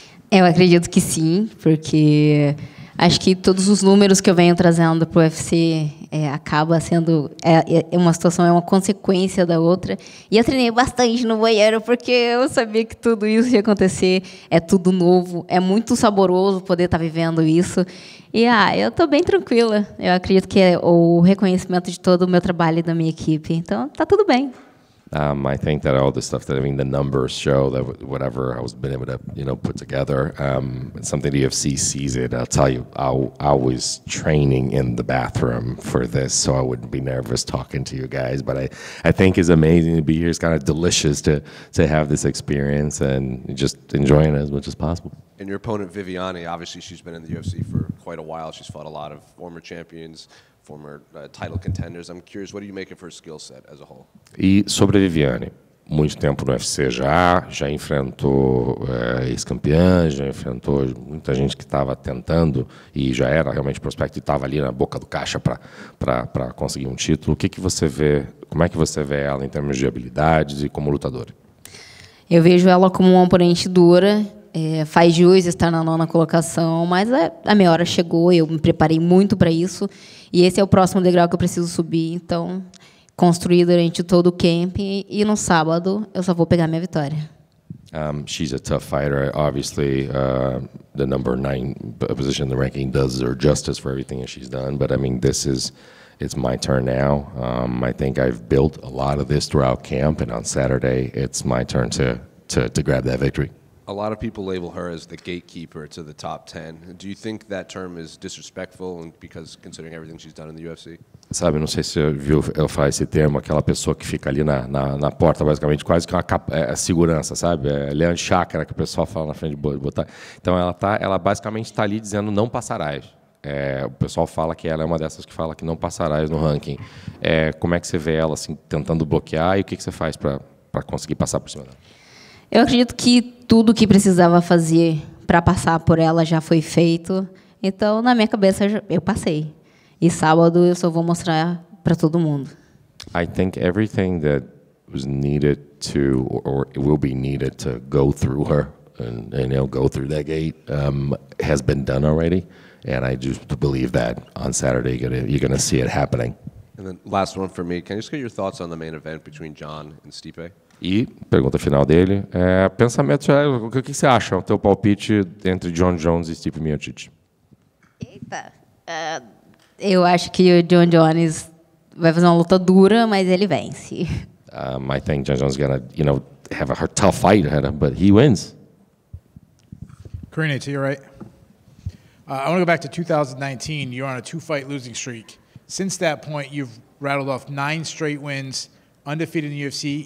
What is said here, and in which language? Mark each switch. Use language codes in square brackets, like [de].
[pt] Eu acredito que sim, porque acho que todos os números que eu venho trazendo para o UFC acaba sendo uma situação, é uma consequência da outra. E eu treinei bastante no banheiro, porque eu sabia que tudo isso ia acontecer. É tudo novo, é muito saboroso poder estar vivendo isso. E eu estou bem tranquila. Eu acredito que é o reconhecimento de todo o meu trabalho e da minha equipe. Então, está tudo bem. [en] I think that all the stuff that, I mean, the numbers show that whatever I was been able to, you know, put together, something the UFC sees it. I'll tell you, I was training in the bathroom for this, so I wouldn't be nervous talking to you guys. But I think it's amazing to be here. It's kind of delicious to have this experience and just enjoying it as much as possible. And your opponent, Viviani, obviously she's been in the UFC for quite a while. She's fought a lot of former champions, former title contenders. I'm curious, what do you make of her skill set as a whole? [pt] E sobre a Viviane, muito tempo no UFC já enfrentou ex-campeãs, já enfrentou muita gente que estava tentando e já era realmente prospecto e estava ali na boca do caixa para conseguir um título. O que que você vê, como é que você vê ela em termos de habilidades e como lutadora? Eu vejo ela como uma oponente dura. Faz jus estar na nona colocação, mas a minha hora chegou, eu me preparei muito para isso, e esse é o próximo degrau que eu preciso subir, então, construir durante todo o camp, e no sábado eu só vou pegar minha vitória. [en] She's a tough fighter, obviously, the number 9 position in the ranking does her justice for everything that she's done, but I mean, this is, it's my turn now. I think I've built a lot of this throughout camp, and on Saturday, it's my turn to grab that victory. A lot of people label her as the gatekeeper to the top 10. Do you think that term is disrespectful because considering everything she's done in the UFC? [pt] Sabe, não sei se você viu eu falar esse termo, aquela pessoa que fica ali na porta, basicamente, quase que uma segurança, sabe? É Leandro Chakra, que o pessoal fala na frente de botar. Então, ela basicamente está ali dizendo não passarás. O pessoal fala que ela é uma dessas que fala que não passarás no ranking. Como é que você vê ela assim tentando bloquear e o que que você faz para conseguir passar por cima dela? Eu acredito que tudo que precisava fazer para passar por ela já foi feito. Então, na minha cabeça, eu passei. E sábado eu só vou mostrar para todo mundo. [en] I think everything that was needed to, or will be needed to go through her, and you know, go through that gate, has been done already. And I just believe that on Saturday you're gonna see it happening. And then last one for me. Can I just get your thoughts on the main event between John and Stipe? [pt] E pergunta final dele, é, pensamento, é, o que você acha, o teu palpite entre John Jones e Stipe Miocic? Eita, eu acho que o John Jones vai fazer uma luta dura, mas ele vence. [en] I think John Jones is gonna, you know, have a tough fight ahead of him, but he wins. Karina, to your right. I want to go back to 2019. You're on a two-fight losing streak. Since that point, you've rattled off 9 straight wins, undefeated in the UFC.